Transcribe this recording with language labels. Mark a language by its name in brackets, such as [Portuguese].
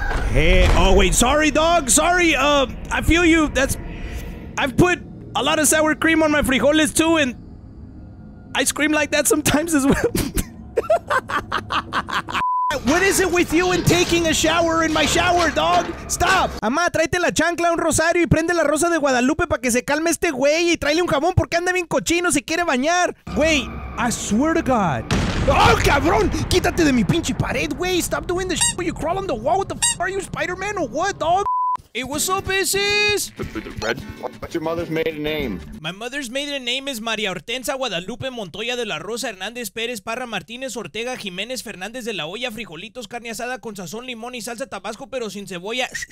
[English] Hey, oh, wait, sorry, dog, sorry, I feel you, that's... I've put a lot of sour cream on my frijoles, too, and... I scream like that sometimes as well. What is it with you and taking a shower in my shower, dog? Stop! [Spanish] Amá, tráete la chancla, un rosario y prende la rosa de Guadalupe para que se calme este güey y tráele un jabón porque anda bien cochino, se quiere bañar. Güey, [English] I swear to God. [Spanish] ¡Oh, cabrón! Quítate de mi pinche pared, güey. [English] Stop doing the shit where you crawl on the wall. What the f***? Are you Spider-Man or what, dog? Hey, what's up, Isis? Red, what's your mother's maiden name? My mother's maiden name is María Hortensia Guadalupe Montoya de la Rosa Hernández Pérez Parra Martínez Ortega Jiménez Fernández de la Olla Frijolitos Carne Asada con Sazón Limón y Salsa Tabasco pero sin cebolla.